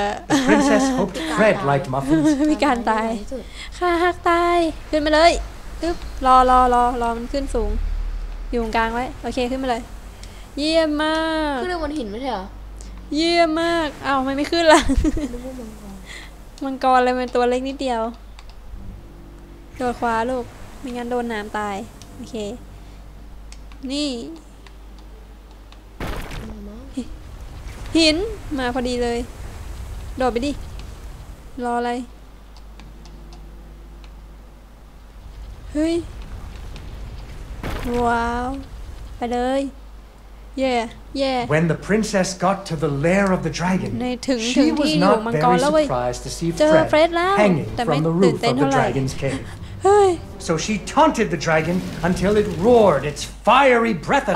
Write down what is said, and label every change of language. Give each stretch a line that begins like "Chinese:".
English: The princess hoped Fred liked muffins.
Thai: มีการตายข้าหักตายขึ้นมาเลยปึ๊บรอมันขึ้นสูงอยู่กลางไว้โอเคขึ้นมาเลยเยี่ยมมาก ขึ้นบนหินไม่ใช่เหรอ เยี่ยมมากอ้าวไม่ขึ้นล่ะมังกรเลยมันตัวเล็กนิดเดียวโดดคว้าลูกไม่งั้นโดนน้ำตายโอเคนี่หินมาพอดีเลยโดดไปดิรออะไรเฮ้ยว้าวไปเลยเย่เย่
English: When the princess got to the lair of the dragon she was not very surprised to see Fred hanging from the roof of the dragon's cave so she taunted the dragon until it roared its fiery breath at her